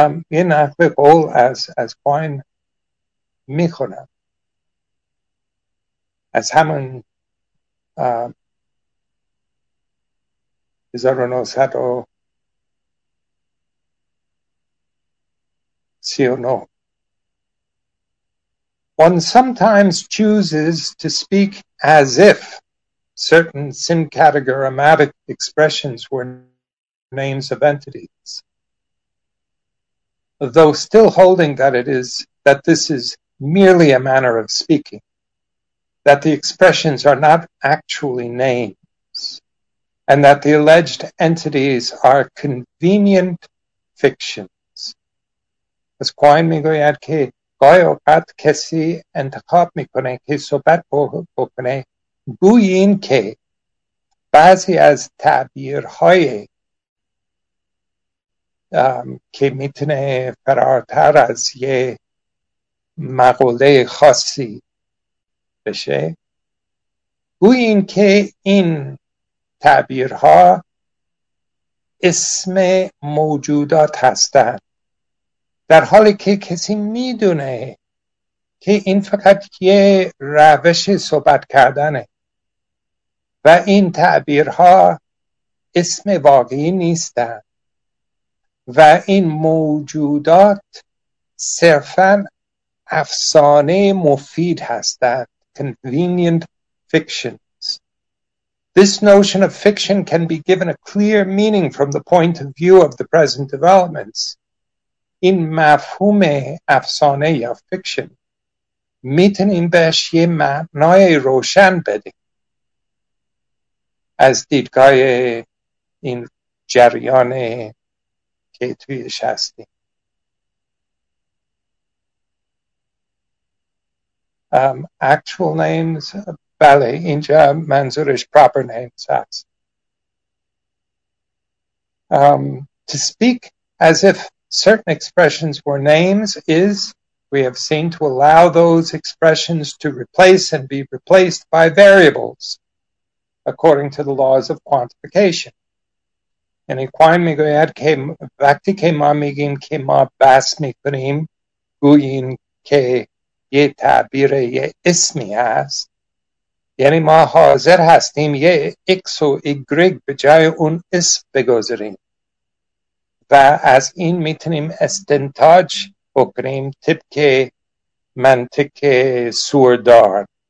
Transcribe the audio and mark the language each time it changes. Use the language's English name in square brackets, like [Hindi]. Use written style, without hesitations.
[Persian] یه نقل قول از کوین میخونم، از همون 1939. [English] One sometimes chooses to speak as if certain syncategrammatic expressions were names of entities, though still holding that this is merely a manner of speaking, that the expressions are not actually names, and that the alleged entities are convenient fictions. As [Persian] Quine میگوید که گاهی اوقات کسی انتخاب میکنه که صحبت بکنه گویی این که بعضی از تعبیرهای که میتونه فراتر از یه مقوله خاصی بشه، گویی این که این تعبیرها اسم موجودات هستند، در حالی که کسی میدونه که این فقط یه روش صحبت کردنه و این تعبیرها اسم واقعی نیستن و این موجودات صرفا افسانه مفید هستند. [English] Convenient fictions. This notion of fiction can be given a clear meaning from the point of view of the present developments. [Persian] این مفهوم افسانه یا فیکشن میتونیم بهش یه معنای روشن بدیم از دیدگاه این جریان که تویش هستیم. [English] Actual names، [Persian] بله، اینجا منظورش proper names هست. [English] To speak as if certain expressions were names is, we have seen, to allow those expressions to replace and be replaced by variables according to the laws of quantification. And [Persian] Quine میگوید که وقتی که ما میگیم که ما بس میکنیم گوییم که یه تعبیر یه اسمی هست، یعنی ما حاضر هستیم یه اکس و ایگرگ به جای اون اسم بگذاریم و از این میتونیم استنتاج بکنیم طبقه منطق سوردارد.